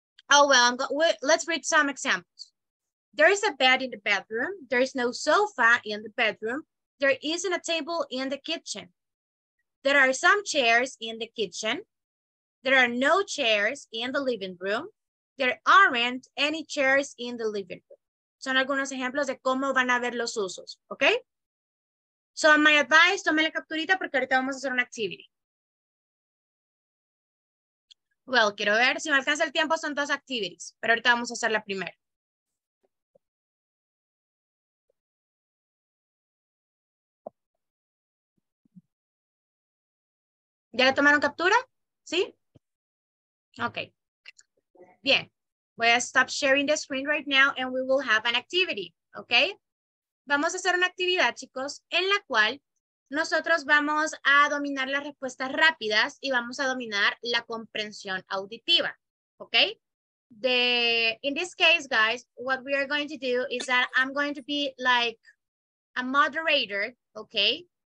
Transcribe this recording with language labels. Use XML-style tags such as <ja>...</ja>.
<en>Oh, well, let's read some examples. There is a bed in the bedroom. There is no sofa in the bedroom. There isn't a table in the kitchen. There are some chairs in the kitchen. There are no chairs in the living room. There aren't any chairs in the living room.</en> <es>Son algunos ejemplos de cómo van a ver los usos,</es> <en>okay? So my advice,</en> <es>tome la capturita porque ahorita vamos a hacer una activity. Well, quiero ver si me alcanza el tiempo, son dos activities, pero ahorita vamos a hacer la primera. ¿Ya le tomaron captura? ¿Sí? Ok. Bien. Voy a</es> <en>stop sharing the screen right now and we will have an activity, ok?</en> <es>Vamos a hacer una actividad, chicos, en la cual nosotros vamos a dominar las respuestas rápidas y vamos a dominar la comprensión auditiva, ¿ok?</es> <en>In this case, guys, what we are going to do is that I'm going to be like a moderator, ¿ok?</en>